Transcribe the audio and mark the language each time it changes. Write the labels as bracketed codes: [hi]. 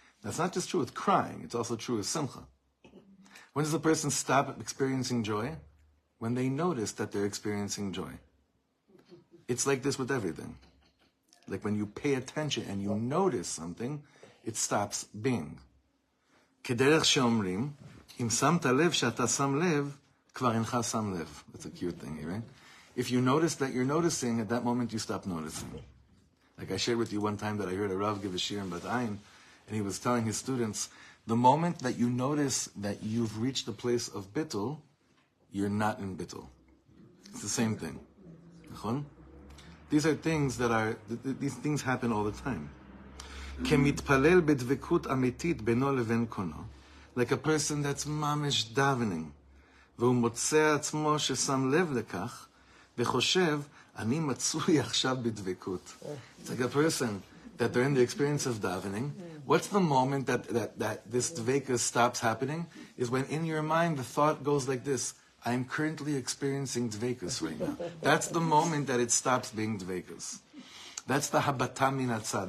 [en] That's not just true with crying. It's also true with simcha. When does a person stop experiencing joy? When they notice that they're experiencing joy. It's like this with everything. Like when you pay attention and you notice something, it stops being. [he] Kederech she'omrim, אם שמת לב שאתה שם לב, כבר אינך שם לב. [en] That's a cute thing, right? If you notice that you're noticing, at that moment you stop noticing. Like I shared with you one time that I heard a Rav give a shir in Bat Ayin, and he was telling his students, the moment that you notice that you've reached the place of bittul, you're not in bittul. It's the same thing. נכון? These are things that are, these things happen all the time. [he] כמתפלל בדבקות אמיתית בינו לבין קונו. [en] Like a person that's mamish davening. [he] והוא מוצא עצמו ששם לב לכך וחושב, אני מצוי עכשיו בדבקות. [en] It's like a person that they're in the experience of davening. What's the moment that this dveka stops happening? Is when in your mind the thought goes like this, I am currently experiencing dvekas right now. That's the moment that it stops being dvekas. That's the habata min hatzad.